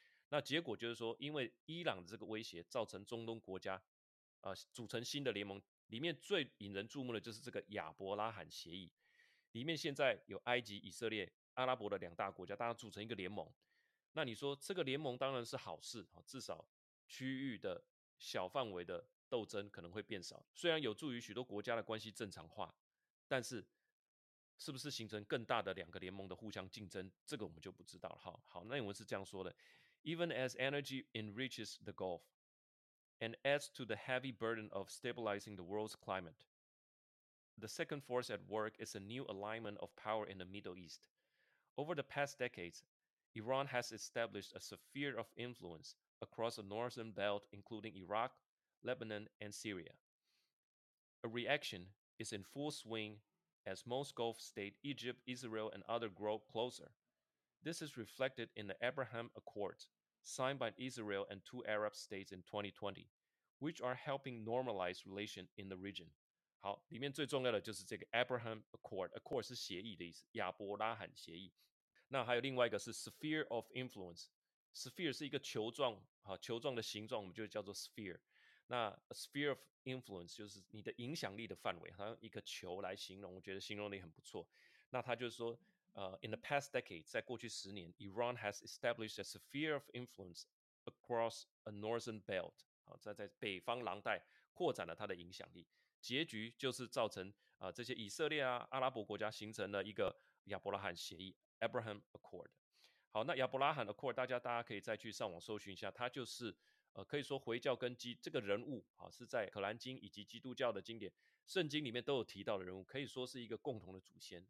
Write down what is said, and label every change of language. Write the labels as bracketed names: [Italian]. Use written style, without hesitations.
[Chinese] 那结果就是说因为伊朗的这个威胁造成中东国家组成新的联盟，里面最引人注目的就是这个亚伯拉罕协议，里面现在有埃及、以色列、阿拉伯的两大国家，大家组成一个联盟。那你说这个联盟当然是好事，至少区域的小范围的斗争可能会变少，虽然有助于许多国家的关系正常化，但是是不是形成更大的两个联盟的互相竞争，这个我们就不知道了。好好，那英文是这样说的， [English] Even as energy enriches the Gulf and adds to the heavy burden of stabilizing the world's climate, the second force at work is a new alignment of power in the Middle East. Over the past decades, Iran has established a sphere of influence across the northern belt, including Iraq, Lebanon, and Syria. A reaction is in full swing as most Gulf states, Egypt, Israel, and others grow closer. This is reflected in the Abraham Accords, signed by Israel and two Arab states in 2020, which are helping normalize relations in the region. [Chinese] 好，里面最重要的就是这个 Abraham Accord. Accord 是协议的意思，亚伯拉罕协议。那还有另外一个是 Sphere of Influence. Sphere 是一个球状，好，球状的形状，我们就叫做 Sphere。那 Sphere of Influence 就是你的影响力的范围，好像一个球来形容，我觉得形容力很不错。那他就是说 [English] In the past decade, [Chinese] 在过去十年 [English] Iran has established a sphere of influence across a northern belt. [Chinese] 好，在北方廊带扩展了它的影响力，结局就是造成这些以色列啊阿拉伯国家形成了一个亚伯拉罕协议 Abraham Accord. 好，那亚伯拉罕 Accord 大家可以再去上网搜寻一下，它就是可以说回教跟基督这个人物是在可兰经以及基督教的经典圣经里面都有提到的人物，可以说是一个共同的祖先。